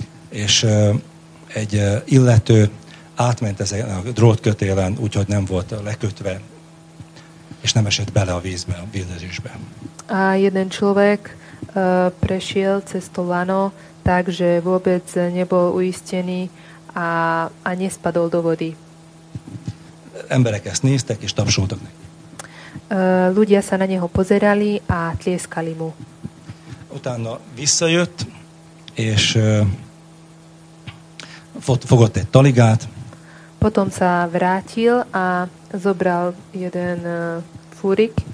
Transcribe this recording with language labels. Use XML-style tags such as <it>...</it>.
<hu>És egy illető átment ezen a drótkötélen, úgyhogy nem volt lekötve, és nem esett bele a vízbe, a vízesésbe.</hu> <sk>A jeden človek prešiel cez to lano, takže vôbec nebol uistený a nespadol do vody.</sk> <hu>Emberek ezt néztek és tapsoltak neki.</hu> <sk>Ľudia sa na neho pozerali a tlieskali mu.</sk> <hu>Utána visszajött, és fogott egy taligát.</hu> <sk>Potom sa vrátil a zobral jeden fúrik.</sk>